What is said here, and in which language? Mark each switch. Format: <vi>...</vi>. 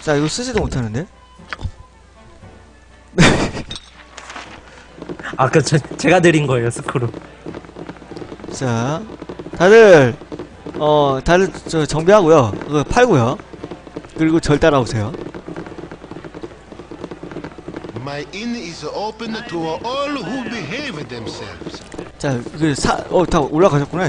<ko>나 이거 쓰지도 못하는데? 아, 그 제가 드린 거예요, 스크루. 자, 다들 어, 다들 저 정비하고요, 그거 팔고요. 그리고 절 따라오세요.</ko> <en>My inn is open to all who behave themselves.</en> <ko>자, 그 사, 어, 다 올라가셨구나.</ko>